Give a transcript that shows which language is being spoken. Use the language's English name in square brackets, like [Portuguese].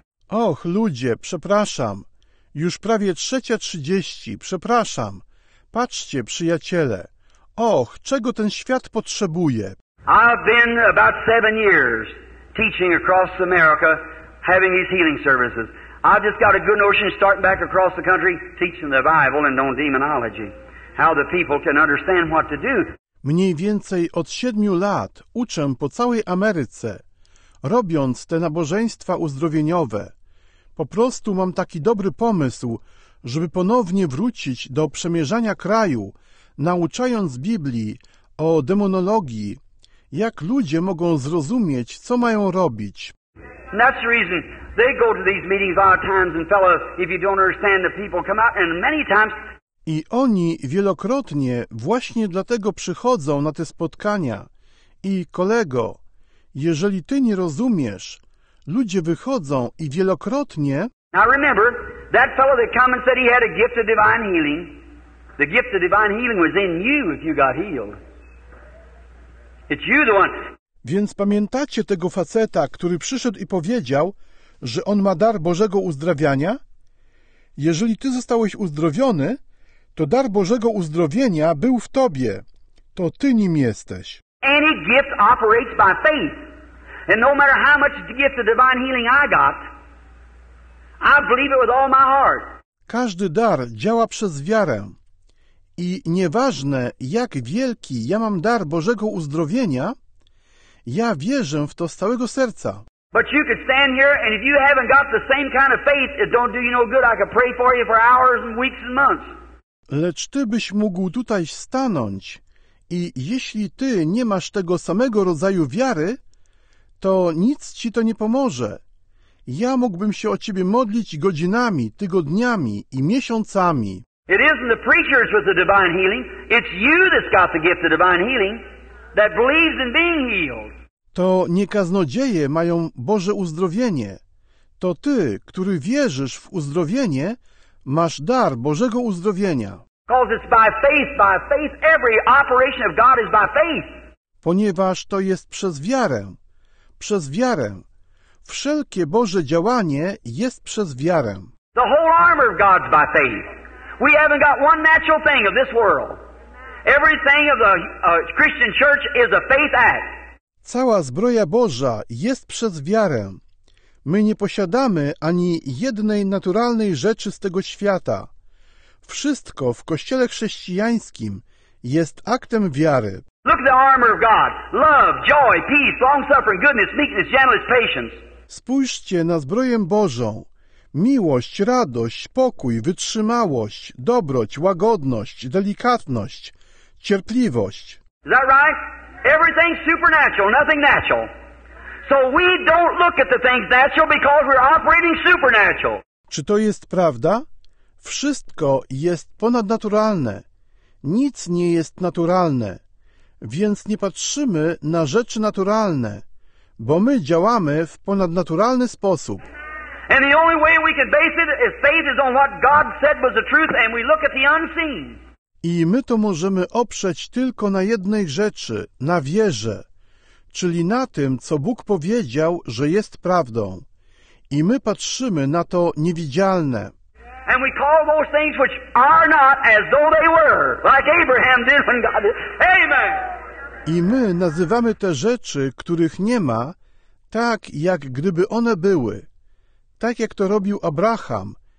[Polish] Och, ludzie, przepraszam. Już prawie 3:30, przepraszam. Patrzcie, przyjaciele. Och, czego ten świat potrzebuje? [English] I've been about 7 years teaching across America, having these healing services. I've just got a good notion starting back across the country, teaching the Bible and on demonology. How the people can understand what to do. [Polish] Mniej więcej od 7 lat uczę po całej Ameryce, robiąc te nabożeństwa uzdrowieniowe. Po prostu mam taki dobry pomysł, żeby ponownie wrócić do przemierzania kraju, nauczając Biblii o demonologii, jak ludzie mogą zrozumieć, co mają robić. [English] And that's the reason they go to these meetings all times and fellows, if you don't understand the people come out and many times. [Polish] I oni wielokrotnie właśnie dlatego przychodzą na te spotkania. I kolego, jeżeli ty nie rozumiesz, ludzie wychodzą i wielokrotnie. [English] Now remember, that fellow that came and said he had a gift of divine healing. The gift of divine healing was in you if you got healed. It's you the one. [Polish] Więc pamiętacie tego faceta, który przyszedł i powiedział, że on ma dar Bożego uzdrawiania? Jeżeli ty zostałeś uzdrowiony, to dar Bożego uzdrowienia był w tobie. To ty nim jesteś. [English] Any gift operates by faith. And no matter how much gift of divine healing I got, I believe it with all my heart. [Polish] Każdy dar działa przez wiarę. I nieważne, jak wielki ja mam dar Bożego uzdrowienia, ja wierzę w to z całego serca. [English] But you could stand here, and if you haven't got the same kind of faith, it don't do you no good. I could pray for you for hours and weeks and months. [Polish] Lecz ty byś mógł tutaj stanąć i jeśli ty nie masz tego samego rodzaju wiary, to nic ci to nie pomoże. Ja mógłbym się o ciebie modlić godzinami, tygodniami i miesiącami. [English] It isn't the preachers with the divine healing, it's you that's got the gift of divine healing that believes in being healed. [Polish] To nie kaznodzieje mają Boże uzdrowienie. To ty, który wierzysz w uzdrowienie, masz dar Bożego uzdrowienia. [English] Because it's by faith, every operation of God is by faith. [Polish] Ponieważ to jest przez wiarę. Przez wiarę. Wszelkie Boże działanie jest przez wiarę. [English] The whole armor of God's by faith. We haven't got one natural thing of this world. Everything of the Christian church is a faith act. [Polish] Cała zbroja Boża jest przez wiarę. My nie posiadamy ani jednej naturalnej rzeczy z tego świata. Wszystko w Kościele chrześcijańskim jest aktem wiary. [English] Look at the armor of God. Love, joy, peace, long-suffering, goodness, meekness, gentleness, patience. [Polish] Spójrzcie na zbroję Bożą. Miłość, radość, pokój, wytrzymałość, dobroć, łagodność, delikatność, cierpliwość. [English] Is that right? Everything's supernatural, nothing natural. So we don't look at the things natural because we're operating supernatural. [Polish] Czy to jest prawda? Wszystko jest ponadnaturalne. Nic nie jest naturalne. Więc nie patrzymy na rzeczy naturalne, bo my działamy w ponadnaturalny sposób. [English] And the only way we can base it is faith is on what God said was the truth and we look at the unseen. [Polish] I my to możemy oprzeć tylko na jednej rzeczy, na wierze, czyli na tym, co Bóg powiedział, że jest prawdą. I my patrzymy na to niewidzialne. [English] And we call those things which are not as though they were, like Abraham did when God did. Amen. [Polish] I my nazywamy te rzeczy, których nie ma, tak jak gdyby one były. Tak jak to robił Abraham.